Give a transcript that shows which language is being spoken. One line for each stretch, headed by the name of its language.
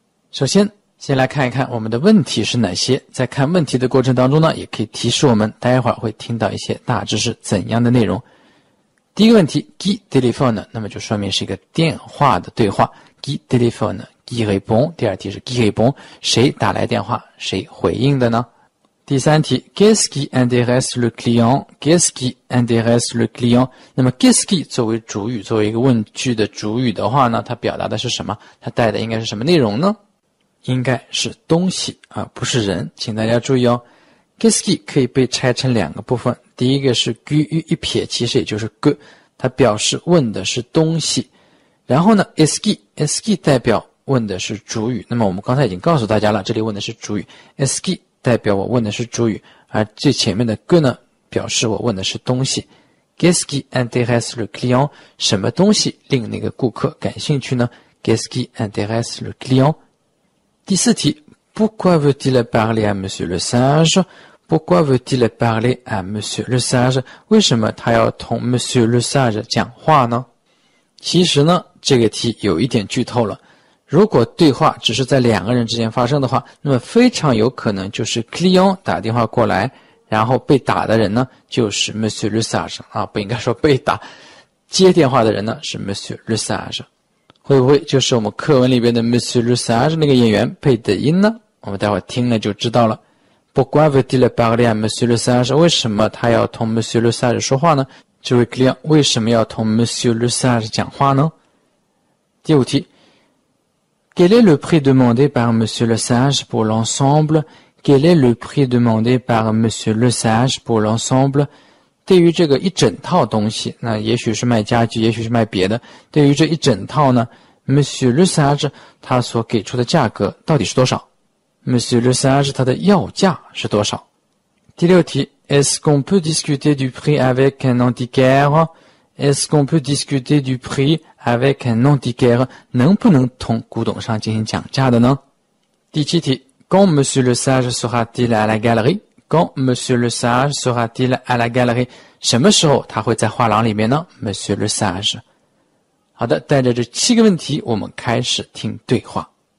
Chinese: 首先，先来看一看我们的问题是哪些。在看问题的过程当中呢，也可以提示我们待会儿会听到一些大致是怎样的内容。第一个问题 ，
French: qui téléphone，
Chinese: 那么就说明是一个电话的对话。
French: qui téléphone， qui répond，
Chinese: 第二题是
French: qui répond，
Chinese: 谁打来电话，谁回应的呢？第三题
French: ,qu'est-ce qui intéresse le client? Qu'est-ce qui intéresse le client?
Chinese: 那么 qu'est-ce qui 作为主语，作为一个问句的主语的话呢，它表达的是什么？它带的应该是什么内容呢？应该是东西啊，不是人。请大家注意哦， qu'est-ce qui 可以被拆成两个部分。第一个是 qu 与一撇，其实也就是 qu， 它表示问的是东西。然后呢 ,est-ce qui,est-ce qui 代表问的是主语。那么我们刚才已经告诉大家了，这里问的是主语。est-ce qui代表我问的是主语，而最前面的 que 呢，表示我问的是东西。
French: Qu'est-ce qui intéresse le client，
Chinese: 什么东西令那个顾客感兴趣呢？
French: Qu'est-ce qui intéresse le client。
Chinese: 第四题
French: Pourquoi veut-il parler à Monsieur le Sage？ Pourquoi veut-il parler à Monsieur le Sage？
Chinese: 为什么他要同 Monsieur le Sage 讲话呢？其实呢，这个题有一点剧透了。如果对话只是在两个人之间发生的话，那么非常有可能就是 client 打电话过来，然后被打的人呢就是 Monsieur le Sage 啊，不应该说被打，接电话的人呢是 Monsieur le Sage， 会不会就是我们课文里边的 Monsieur le Sage 那个演员佩德因呢？我们待会听了就知道了。
French: Pourquoi veut-il parler à Monsieur le Sage？
Chinese: 为什么他要同 Monsieur le Sage 说话呢？这位 client 为什么要同 Monsieur le Sage 讲话呢？第五题。
French: Quel est le prix demandé par Monsieur le Sage pour l'ensemble? Quel est le prix demandé par Monsieur le Sage pour l'ensemble?
Chinese: 对于这个一整套东西，那也许是卖家具，也许是卖别的。对于这一整套呢， Monsieur le Sage 他所给出的价格到底是多少？ Monsieur le Sage 他的要价是多少？第六题，
French: Est-ce qu'on peut discuter du prix avec un antiquaire? Est-ce qu'on peut discuter du prix avec un antiquaire?
Chinese: 能不能同古董商进行讲价的呢？第七题，
French: Quand Monsieur le Sage sera-t-il à la galerie? Quand Monsieur le Sage sera-t-il à la galerie?
Chinese: 什么时候他会在画廊里面呢？ Monsieur le Sage。好的，带着这七个问题，我们开始听对话。